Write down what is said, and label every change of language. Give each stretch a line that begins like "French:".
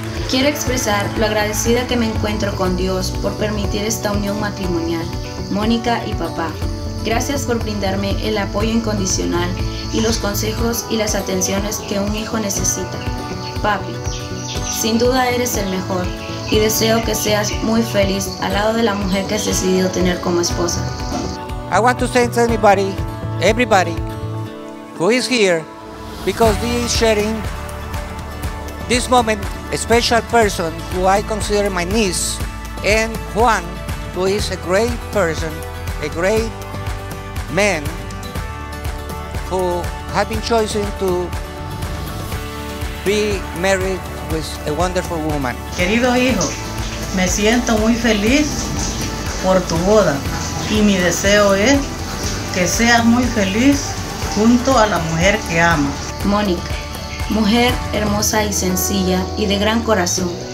Spanish: Quiero expresar lo agradecida que me encuentro con Dios por permitir esta unión matrimonial, Mónica y papá. Gracias por brindarme el apoyo incondicional y los consejos y las atenciones que un hijo necesita. Papi, sin duda eres el mejor y deseo que seas muy feliz al lado de la mujer que has decidido tener como esposa.
English: I want to thank anybody, everybody who is here, because they are sharing this moment. A special person who I consider my niece, and Juan, who is a great person, a great man, who has been chosen to be married with a wonderful woman.
Spanish: Querido hijo, me siento muy feliz por tu boda, y mi deseo es que seas muy feliz junto a la mujer que amas. Mónica, mujer hermosa y sencilla y de gran corazón.